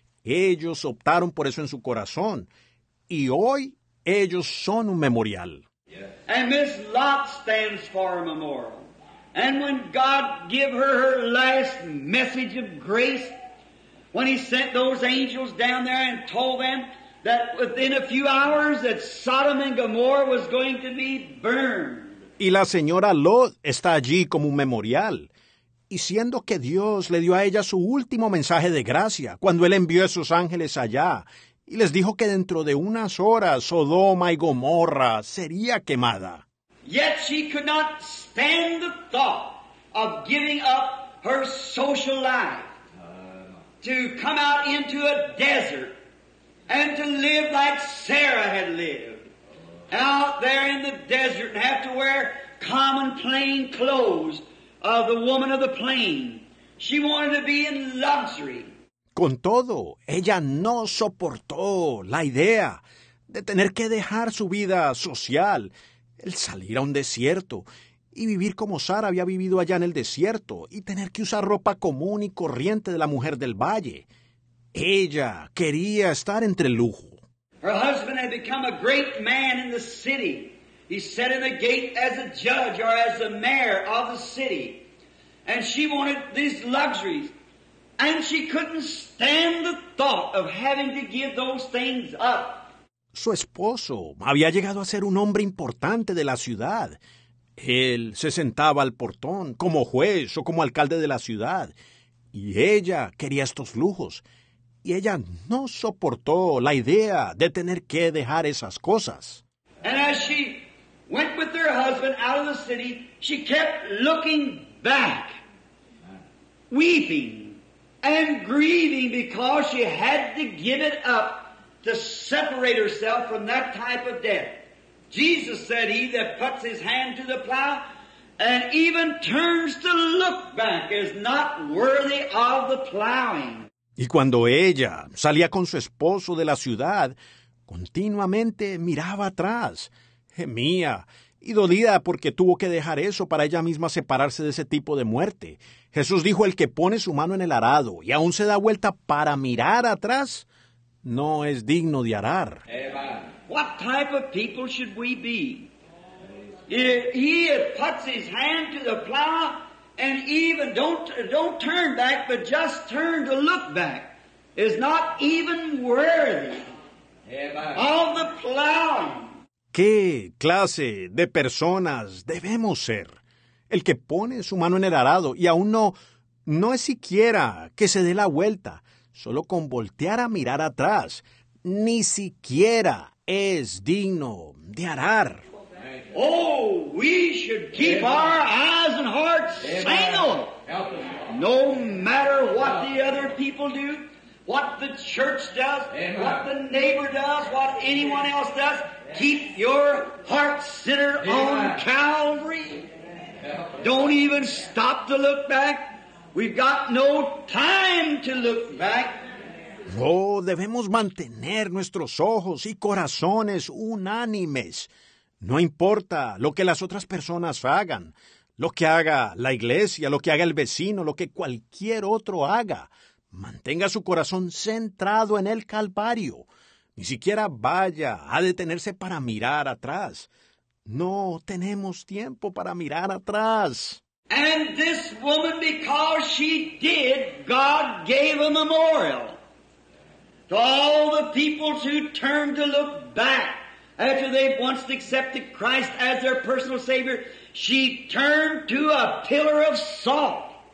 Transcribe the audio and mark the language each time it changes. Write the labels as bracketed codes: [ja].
[es] Ellos optaron por eso en su corazón. Y hoy ellos son un memorial. [en] Yes. And Miss Lot stands for a memorial. And when God gave her her last message of grace, when he sent those angels down there and told them that within a few hours that Sodom and Gomorrah was going to be burned. [es] Y la señora Lot está allí como un memorial. Y siendo que Dios le dio a ella su último mensaje de gracia, cuando él envió a esos ángeles allá, y les dijo que dentro de unas horas Sodoma y Gomorra sería quemada. [en] Yet she could not stand the thought of giving up her social life to come out into a desert and to live like Sarah had lived out there in the desert and have to wear common plain clothes of the woman of the plain. She wanted to be in luxury. [es] Con todo, ella no soportó la idea de tener que dejar su vida social. El salir a un desierto y vivir como Sara había vivido allá en el desierto y tener que usar ropa común y corriente de la mujer del valle. Ella quería estar entre el lujo. [en] Her husband had become a great man in the city. He sat in the gate as a judge or as the mayor of the city. And she wanted these luxuries. And she couldn't stand the thought of having to give those things up. [es] Su esposo había llegado a ser un hombre importante de la ciudad. Él se sentaba al portón como juez o como alcalde de la ciudad. Y ella quería estos lujos. Y ella no soportó la idea de tener que dejar esas cosas. [en] And as she went with her husband out of the city, she kept looking back, weeping and grieving because she had to give it up. To separate herself from that type of death. Jesus said, he that puts his hand to the plow and even turns to look back is not worthy of the plowing. [es] Y cuando ella salía con su esposo de la ciudad, continuamente miraba atrás, gemía y dolida porque tuvo que dejar eso para ella misma separarse de ese tipo de muerte. Jesús dijo, el que pone su mano en el arado y aún se da vuelta para mirar atrás, no es digno de arar. [en] What type of people should we be? If he puts his hand to the plow and even don't turn back, but just turn to look back, is not even worthy of the plow. [es] ¿Qué clase de personas debemos ser? El que pone su mano en el arado y aún no es siquiera que se dé la vuelta. Solo con voltear a mirar atrás, ni siquiera es digno de arar. [en] Oh, we should keep Amen. Our eyes and hearts single. No matter what the other people do, what the church does, Amen. What the neighbor does, what anyone else does, keep your heart centered Amen. On Calvary. Amen. Don't even stop to look back. We've got no time to look back. [es] Oh, debemos mantener nuestros ojos y corazones unánimes. No importa lo que las otras personas hagan, lo que haga la iglesia, lo que haga el vecino, lo que cualquier otro haga. Mantenga su corazón centrado en el Calvario. Ni siquiera vaya a detenerse para mirar atrás. No tenemos tiempo para mirar atrás. [en] And this woman, because she did, God gave a memorial to all the people who turned to look back after they once accepted Christ as their personal Savior. She turned to a pillar of salt.